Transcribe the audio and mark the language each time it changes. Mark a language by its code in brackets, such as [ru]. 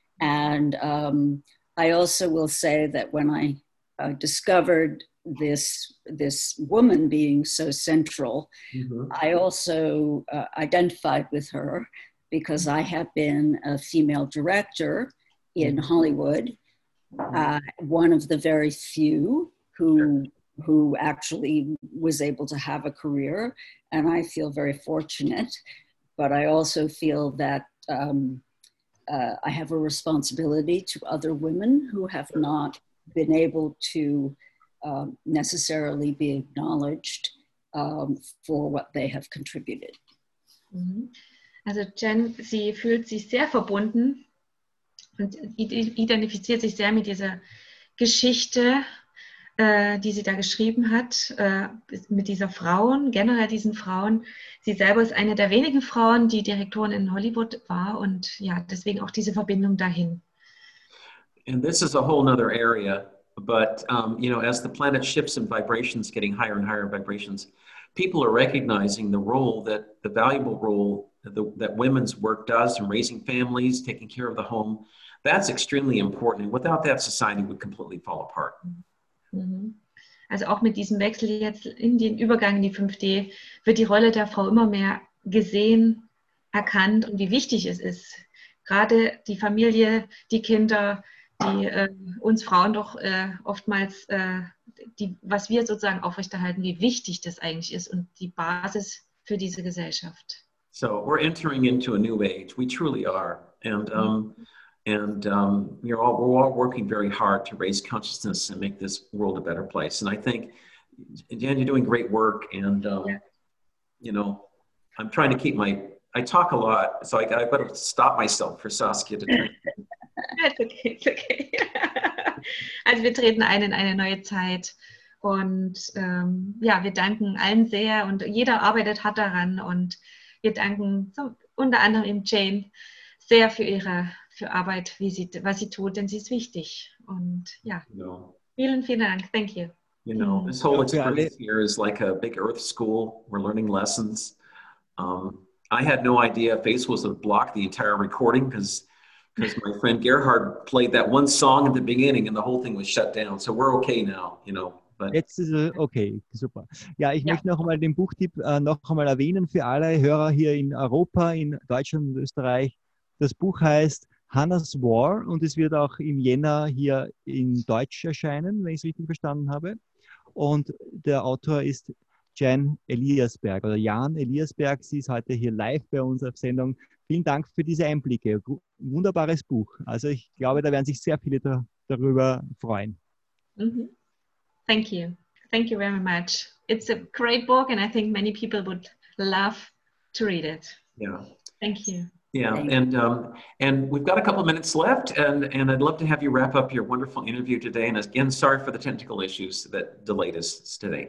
[en] And I also will say that when I discovered this woman being so central, I also identified with her, because I have been a female director in Hollywood, one of the very few who actually was able to have a career, and I feel very fortunate, but I also feel that I have a responsibility to other women who have not been able to necessarily be acknowledged for what they have contributed. [de] Also Jen, sie fühlt sich sehr verbunden und identifiziert sich sehr mit dieser Geschichte, die sie da geschrieben hat, mit dieser Frauen, generell diesen Frauen. Sie selber ist eine der wenigen Frauen, die Direktorin in Hollywood war, und ja, deswegen auch diese Verbindung dahin. [en] And this is a whole other area, but you know, as the planet shifts in vibrations, getting higher and higher vibrations, people are recognizing the role that, the valuable role that women's work does in raising families, taking care of the home. That's extremely important. And without that, society would completely fall apart. [de] Also auch mit diesem Wechsel jetzt in den Übergang in die 5D wird die Rolle der Frau immer mehr gesehen, erkannt und wie wichtig es ist. Gerade die Familie, die Kinder, die uns Frauen doch oftmals, was wir sozusagen aufrechterhalten, wie wichtig das eigentlich ist und die Basis für diese Gesellschaft. [en] So we're entering into a new age. We truly are. And we're all working very hard to raise consciousness and make this world a better place. And I think, Jen, you're doing great work. And, you know, I'm trying to keep my, I talk a lot, so I better stop myself for Saskia to drink. It's okay. [de] Also wir treten ein in eine neue Zeit. Und ja, wir danken allen sehr. Und jeder arbeitet hart daran. Und wir danken so, unter anderem eben Jane sehr für ihre Arbeit, was sie tut, denn sie ist wichtig. Und ja, vielen, vielen Dank. [en] Thank you. You know, this whole experience here is like a big earth school. We're learning lessons. I had no idea Facebook would block the entire recording because my friend Gerhard played that one song at the beginning and the whole thing was shut down. So we're okay now, you know. But [de] jetzt ist es okay, super. Ja, ich möchte noch einmal den Buchtipp noch einmal erwähnen für alle Hörer hier in Europa, in Deutschland und Österreich. Das Buch heißt Hannah's War und es wird auch im Jänner hier in Deutsch erscheinen, wenn ich es richtig verstanden habe. Und der Autor ist Jan Eliasberg oder Jan Eliasberg. Sie ist heute hier live bei uns auf Sendung. Vielen Dank für diese Einblicke. Wunderbares Buch. Also ich glaube, da werden sich sehr viele darüber freuen. [en] Mm-hmm. Thank you. Thank you very much. It's a great book and I think many people would love to read it. Yeah. Thank you. Yeah, and we've got a couple of minutes left, and I'd love to have you wrap up your wonderful interview today. And again, sorry for the technical issues that delayed us today.